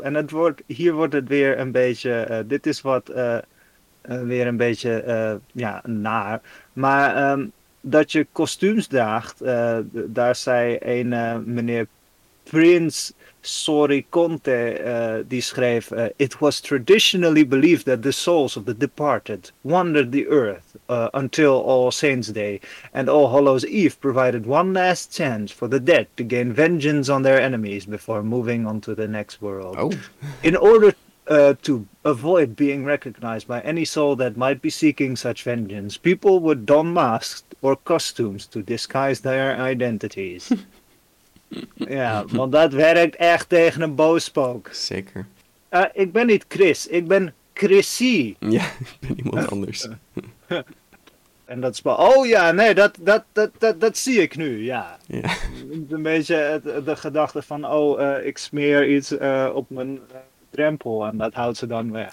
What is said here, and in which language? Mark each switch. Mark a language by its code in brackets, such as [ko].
[nl] En hier wordt het weer een beetje... dit is wat weer een beetje naar. Maar dat je kostuums draagt... daar zei een meneer Prins... Sorry Conte, die schreef... [en] It was traditionally believed that the souls of the departed wandered the earth until All Saints Day and All Hallows Eve provided one last chance for the dead to gain vengeance on their enemies before moving on to the next world. Oh. In order to avoid being recognized by any soul that might be seeking such vengeance, people would don masks or costumes to disguise their identities. [nl] Ja, want dat werkt echt tegen een boosspook. Zeker. Ik ben niet Chris, ik ben Chrissy. Ja, ik ben iemand anders. En dat is wel... Oh ja, nee, dat zie ik nu, ja. Ja. Een beetje de gedachte van... Oh, ik smeer iets op mijn drempel en dat houdt ze dan weg.